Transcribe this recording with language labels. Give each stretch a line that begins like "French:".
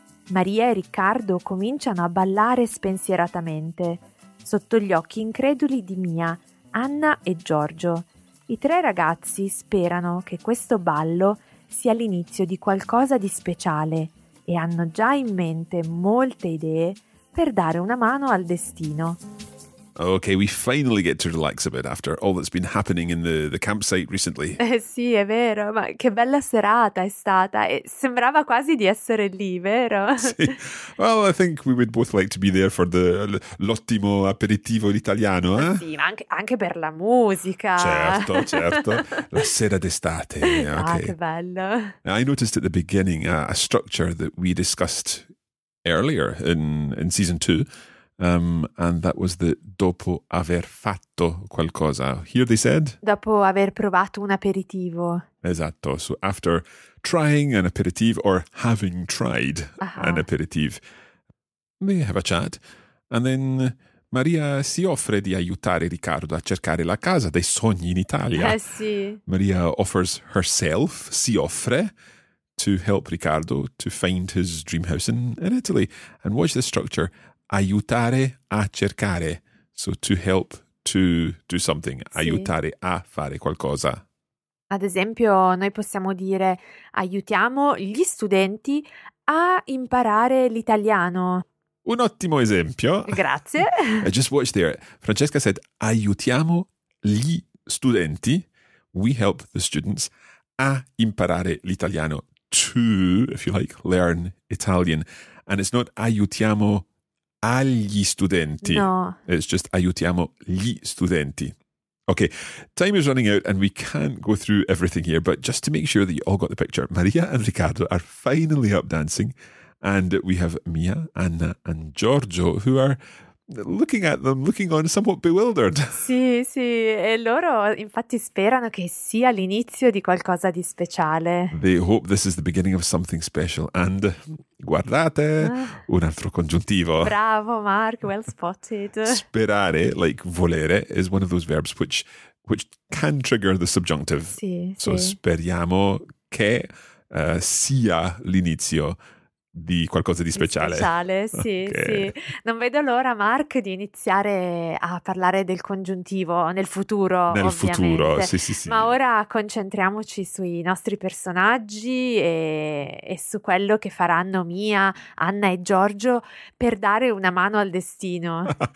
Italian: Maria e Riccardo cominciano a ballare spensieratamente, sotto gli occhi increduli di Mia, Anna e Giorgio. I tre ragazzi sperano che questo ballo sia l'inizio di qualcosa di speciale e hanno già in mente molte idee per dare una mano al destino.
English: Okay, we finally get to relax a bit after all that's been happening in the campsite recently.
Italian: Sì, è vero, ma che bella serata è stata. Sembrava quasi di essere lì, vero? Sì.
English: Well, I think we would both like to be there for
Italian: l'ottimo aperitivo italiano,
English: eh?
Italian: Sì, ma anche per la musica. Certo, certo. La sera d'estate. Okay. Ah, che bello.
English: I noticed at the beginning a structure that we discussed earlier in season 2. And that was the
Italian: dopo aver fatto qualcosa.
English: Here they said?
Italian: Dopo aver provato un aperitivo. Esatto.
English: So after trying an aperitivo or having tried an aperitivo, they have a chat and then
Italian: Maria si offre di aiutare Riccardo a cercare la casa dei sogni in Italia. Eh sì.
English: Maria offers herself,
Italian: si offre,
English: to help Riccardo to find his dream house in Italy. And watch the structure.
Italian: Aiutare a cercare.
English: So to help to do something.
Italian: Sì. Aiutare a fare qualcosa. Ad esempio, noi possiamo dire aiutiamo gli studenti a imparare l'italiano. Un ottimo esempio. Grazie.
English: I just watched there. Francesca said,
Italian: aiutiamo gli studenti.
English: We help the students
Italian: a imparare l'italiano.
English: To, if you like, learn Italian. And it's not
Italian: aiutiamo agli studenti.
English: No. It's just
Italian: aiutiamo gli studenti.
English: Okay, time is running out and we can't go through everything here, but just to make sure that you all got the picture, Maria and Riccardo are finally up dancing. And we have Mia, Anna and Giorgio who are looking at them, looking on somewhat bewildered.
Italian: Sì, sì. E loro infatti sperano che sia l'inizio di qualcosa di speciale.
English: They hope this is the beginning of something special. And
Italian: guardate, un altro congiuntivo.
English: Bravo, Mark. Well spotted. Sperare, like volere, is one of those verbs which can trigger the subjunctive.
Italian: Sì,
English: so
Italian: sì. Speriamo che sia l'inizio di qualcosa di speciale. Speciale, sì, okay. Sì. Non vedo l'ora, Mark, di iniziare a parlare del congiuntivo nel futuro, nel ovviamente. Futuro, sì, sì, sì. Ma ora concentriamoci sui nostri personaggi e su quello che faranno Mia, Anna e Giorgio per dare una mano al destino.